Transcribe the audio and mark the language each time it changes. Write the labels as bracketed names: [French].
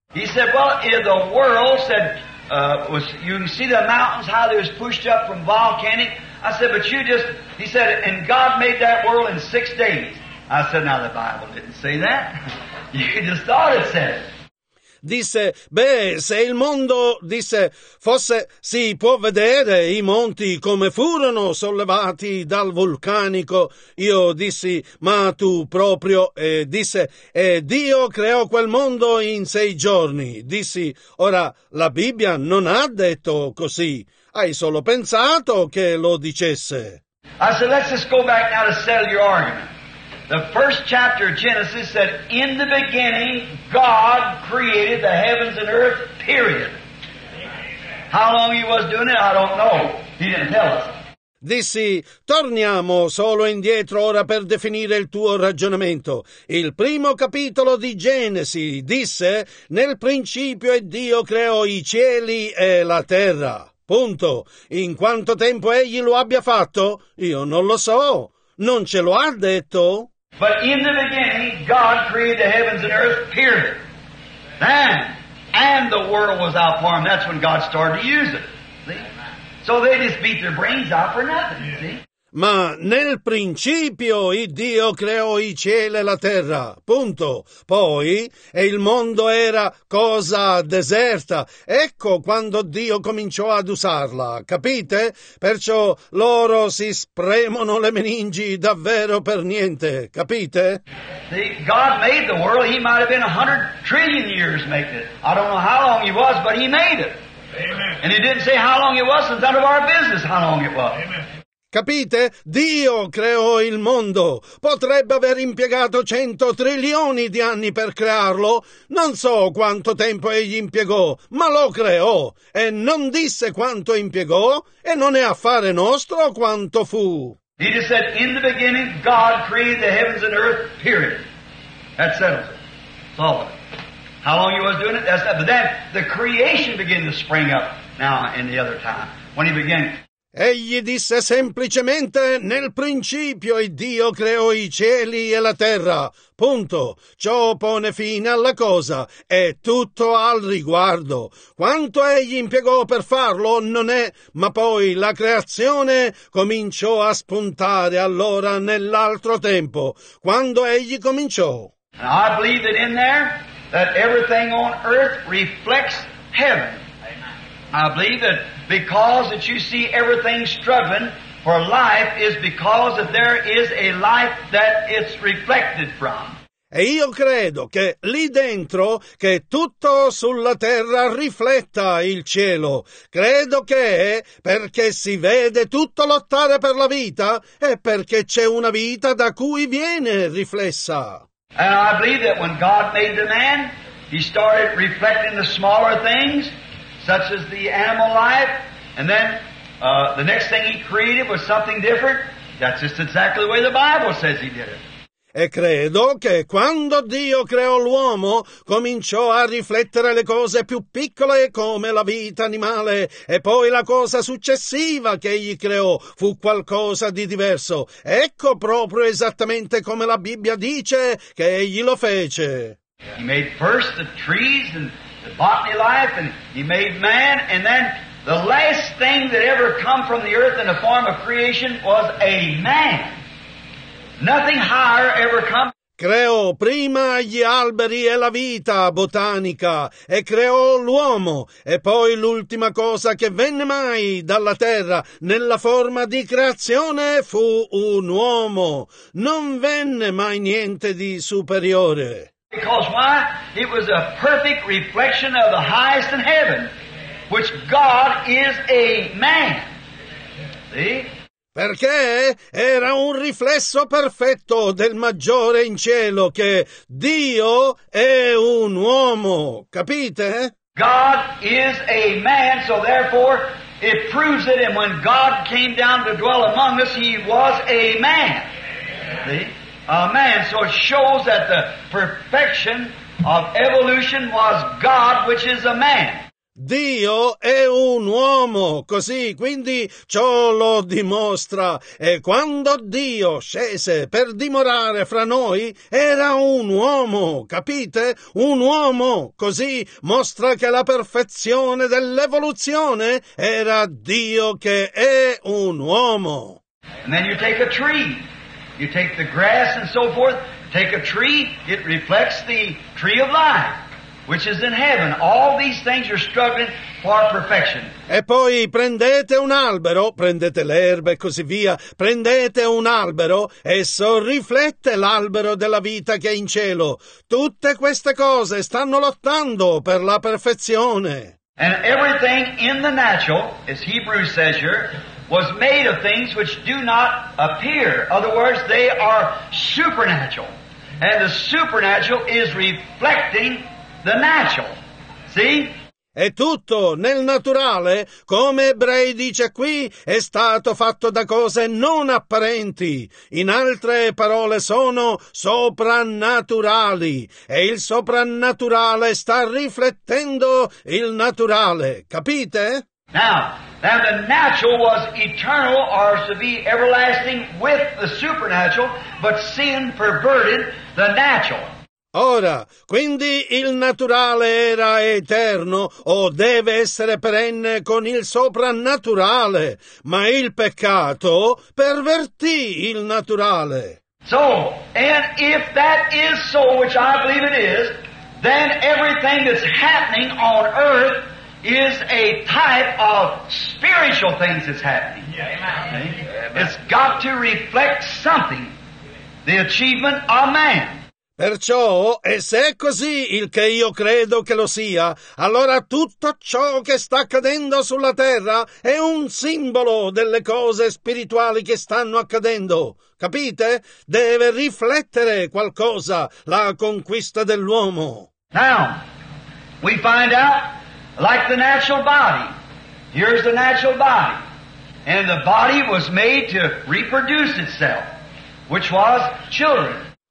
[English] He said, well, if the world said, you can see the mountains, how they was pushed up from volcanic. I said, but you just, he said, and God made that world in 6 days. I said, now the Bible didn't say that. You just thought it said it. [Italian] Disse, beh, se il mondo, disse, fosse, si può vedere i monti come furono sollevati dal vulcanico. Io dissi, ma tu proprio, e disse, Dio creò quel mondo in 6 giorni. Dissi, ora, la Bibbia non ha detto così. Hai solo pensato che lo dicesse. [English] I said, let's just go back now to settle your argument. The first chapter of Genesis said, in the beginning, God created the heavens and earth, period. How long he was doing it, I don't know. He didn't tell us. [Italian] Dissi, torniamo solo indietro ora per definire il tuo ragionamento. Il primo capitolo di Genesi disse, nel principio è Dio creò i cieli e la terra. Punto. In quanto tempo egli lo abbia fatto? Io non lo so. Non ce lo ha detto? [English] But in the beginning, God created the heavens and earth, period. Then, and the world was out for them. That's when God started to use it. See? So they just beat their brains out for nothing, yeah. See? [Italian] Ma nel principio Dio creò i cieli e la terra, punto. Poi, e il mondo era cosa deserta. Ecco quando Dio cominciò ad usarla, capite? Perciò loro si spremono le meningi davvero per niente, capite? [English] See, God made the world, he might have been 100 trillion years making it. I don't know how long he was, but he made it. Amen. And he didn't say how long it was, it's none of our business how long it was. Amen. [Italian] Capite? Dio creò il mondo. Potrebbe aver impiegato 100 trilioni di anni per crearlo. Non so quanto tempo egli impiegò, ma lo creò. E non disse quanto impiegò, e non è affare nostro quanto fu. [English] He just said, in the beginning, God created the heavens and earth, period. That settles it. All of it. How long he was doing it? That's that. But then, the creation began to spring up now in the other time. When he began... [Italian] Egli disse semplicemente, nel principio Dio creò i cieli e la terra. Punto. Ciò pone fine alla cosa. È tutto al riguardo. Quanto egli impiegò per farlo, non è. Ma poi la creazione cominciò a spuntare allora nell'altro tempo. Quando egli cominciò? [English] And I believe that in there, that everything on earth reflects heaven. I believe that because that you see everything struggling for life is because that there is a life that it's reflected from. [Italian] E io credo che lì dentro, che tutto sulla terra rifletta il cielo. Credo che perché si vede tutto lottare per la vita è perché c'è una vita da cui viene riflessa. [English] And I believe that when God made the man, he started reflecting the smaller things, such as the animal life, and then the next thing he created was something different. That's just exactly the way the Bible says he did it. [Italian] E credo che quando Dio creò l'uomo, cominciò a riflettere le cose più piccole come la vita animale, e poi la cosa successiva che egli creò fu qualcosa di diverso. Ecco proprio esattamente come la Bibbia dice che egli lo fece. [English] He made first the trees and the botany life, and he made man, and then the last thing that ever come from the earth in the form of creation was a man. Nothing higher ever come. [Italian] Creò prima gli alberi e la vita botanica, e creò l'uomo, e poi l'ultima cosa che venne mai dalla terra nella forma di creazione fu un uomo. Non venne mai niente di superiore. [English] Because why? It was a perfect reflection of the highest in heaven, which God is a man. See? [Italian] Perché era un riflesso perfetto del maggiore in cielo, che Dio è un uomo. Capite? [English] God is a man, so therefore it proves that when God came down to dwell among us, he was a man. See? A man. So it shows that the perfection of evolution was God, which is a man. [Italian] Dio è un uomo, così, quindi ciò lo dimostra. E quando Dio scese per dimorare fra noi, era un uomo, capite? Un uomo, così mostra che la perfezione dell'evoluzione era Dio che è un uomo. [English] And then you take a tree, you take the grass and so forth, take a tree, it reflects the tree of life, which is in heaven. All these things are struggling for perfection. [Italian] E poi prendete un albero, prendete l'erba e così via, prendete un albero, esso riflette l'albero della vita che è in cielo. Tutte queste cose stanno lottando per la perfezione. [English] And everything in the natural, as Hebrews says here, was made of things which do not appear. Other words, they are supernatural. And the supernatural is reflecting the natural. See? [Italian] E tutto nel naturale, come Ebrei dice qui, è stato fatto da cose non apparenti. In altre parole, sono soprannaturali. E il soprannaturale sta riflettendo il naturale. Capite? [English] Now, that the natural was eternal, or to be everlasting with the supernatural, but sin perverted the natural. [Italian] Ora, quindi il naturale era eterno o deve essere perenne con il soprannaturale, ma il peccato pervertì il naturale. [English] So, and if that is so, which I believe it is, then everything that's happening on earth is a type of spiritual things that's happening. Yeah, amen. It's got to reflect something, the achievement of man. [Italian] Perciò, e se è così il che io credo che lo sia, allora tutto ciò che sta accadendo sulla terra è un simbolo delle cose spirituali che stanno accadendo. Capite? Deve riflettere qualcosa la conquista dell'uomo. [English] Now, we find out, like the natural body. Here's the natural body. And the body was made to reproduce itself, which was children.